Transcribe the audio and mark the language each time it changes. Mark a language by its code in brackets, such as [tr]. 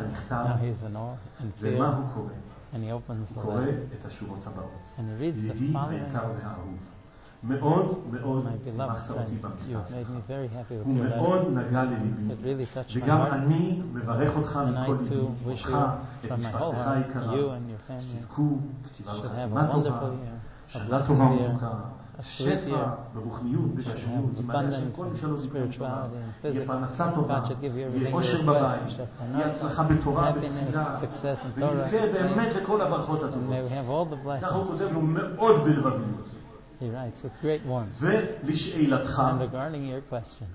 [en] Now he's in awe and fear. And he opens the letter. And he reads the following. [he] מאוד מאוד שמחת אותי במכתבך. הוא מאוד נגע לליבי. וגם אני מברך אותך מכל ליבי, אותך, את משפחתך היקרה, שתזכו כתיבה וחתימה טובה, שנה טובה ומתוקה, שפע ורוחניות וגשמיות, ימלא השם כל משלו זיכרונך, יהיה פרנסה טובה, יהיה אושר בבית, יהיה הצלחה בתורה ובתפילה, ויזכה באמת לכל הברכות הטובות. ככה הוא כותב לו מאוד ברבביות. [en] He writes with great warmth. [he] ולשאלתך, [en] and regarding your question